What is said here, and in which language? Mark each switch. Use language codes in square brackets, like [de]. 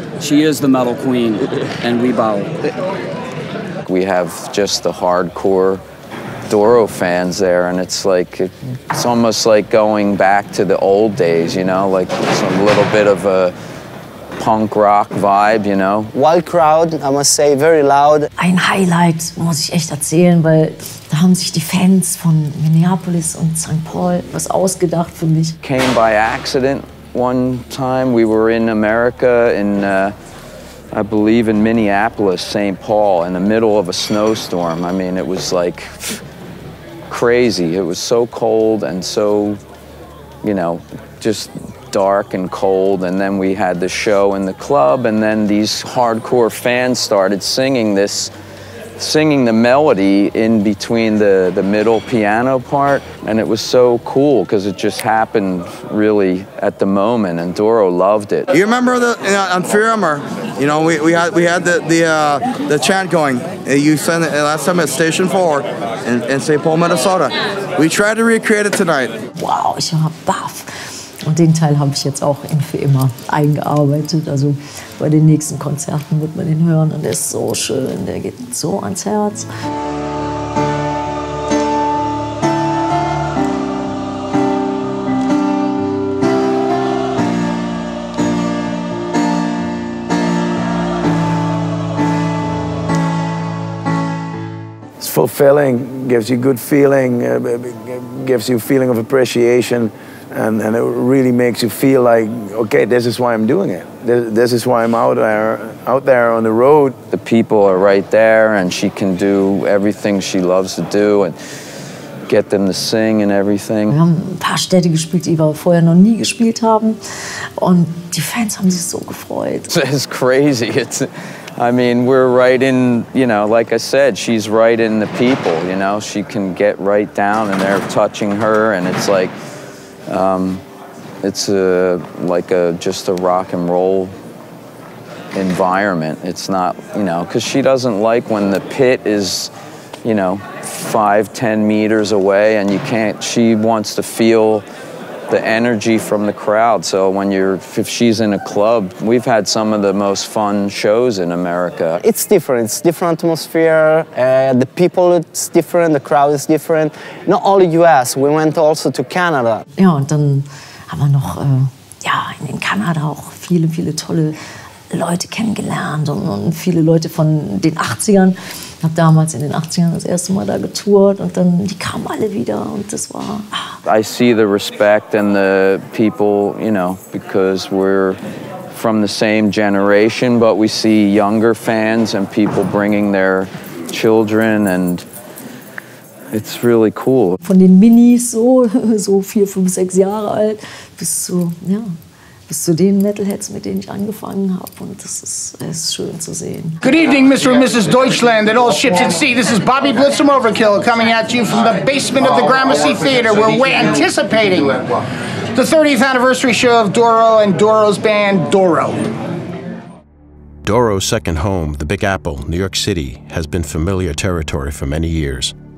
[en] She is the metal queen, and we bow. We have just the hardcore Doro fans there, and it's like, it's almost like going back to the old days, you know, like some little bit of a punk rock vibe, you know. Wild crowd, I must say, very loud. [de] Ein Highlight muss ich echt erzählen, weil da haben sich die Fans von Minneapolis und St. Paul was ausgedacht für mich. [en] Came by accident one time. We were in America in, I believe, in Minneapolis, St. Paul, in the middle of a snowstorm. I mean, it was like crazy. It was so cold and so, you know, just dark and cold. And then we had the show in the club, and then these hardcore fans started singing the melody in between the middle piano part. And it was so cool because it just happened really at the moment, and Doro loved it. You remember the on Firmer, you know, we had the chant going. You sent it last time at Station 4 in St. Paul, Minnesota. We tried to recreate it tonight. [de] Wow, ich war baff. Und den Teil habe ich jetzt auch in für immer eingearbeitet. Also bei den nächsten Konzerten wird man ihn hören. Und der ist so schön, der geht so ans Herz. [en] It's fulfilling, gives you good feeling, gives you a feeling of appreciation. And it really makes you feel like, okay, this is why I'm doing it. This is why I'm out there on the road. The people are right there, and she can do everything she loves to do and get them to sing and everything. [de] Wir haben ein paar Städte gespielt, die wir vorher noch nie gespielt haben, und die Fans haben sich so gefreut. [en] It's crazy. We're right in, you know, like I said, she's right in the people, you know. She can get right down and they're touching her, and it's like, it's just a rock and roll environment. It's not, you know, because she doesn't like when the pit is, you know, 5-10 meters away, and you can't. She wants to feel the energy from the crowd. So when you're, if she's in a club, we've had some of the most fun shows in America. It's different. It's different atmosphere. The people, it's different. The crowd is different. Not only US, we went also to Canada. [de] Ja, und dann haben wir noch in Kanada auch viele, viele tolle Leute kennengelernt und viele Leute von den 80ern. Ich habe damals in den 80ern das erste Mal da getourt, und dann die kamen alle wieder, und das war. [en] I see the respect and the people, you know, because we're from the same generation, but we see younger fans and people bringing their children, and it's really cool. [de] Von den Minis so 4, 5, 6 Jahre alt bis zu, ja. Bis zu den Metalheads, mit denen ich angefangen habe, und das ist schön zu sehen. [en] Good evening, Mr. and Mrs. Deutschland and all ships at sea. This is Bobby Blitz from Overkill coming at you from the basement of the Gramercy Theater. We're anticipating the 30th anniversary show of Doro and Doro's band, Doro. Doro's second home, the Big Apple, New York City, has been familiar territory for many years.